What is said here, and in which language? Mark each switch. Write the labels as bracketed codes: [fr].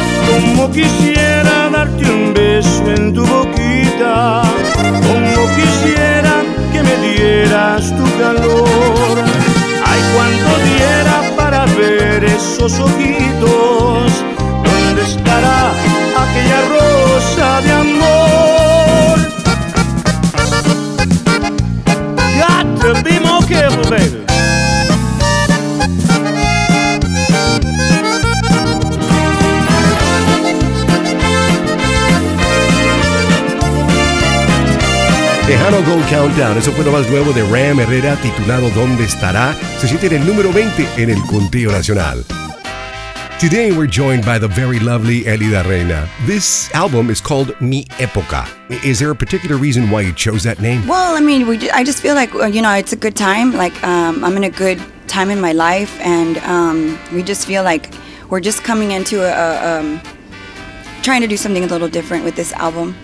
[es] Como quisiera darte un beso en tu boquita, como quisiera que me dieras tu calor. Ay, cuánto diera para ver esos ojitos. ¿Dónde estará aquella rosa de amor? [en] Got to be more careful, baby. [es] Tejano Gold Countdown, eso fue lo más nuevo de Ram Herrera, titulado ¿Dónde Estará? Se siente en el número 20 en el conteo nacional. [en] Today we're joined by the very lovely Elida Reina. This album is called Mi Época. Is there a particular reason why you chose that name? Well, I mean, I just feel like, you know, it's a good time. Like, I'm in a good time in my life, and we just feel like we're just coming into trying to do something a little different with this album.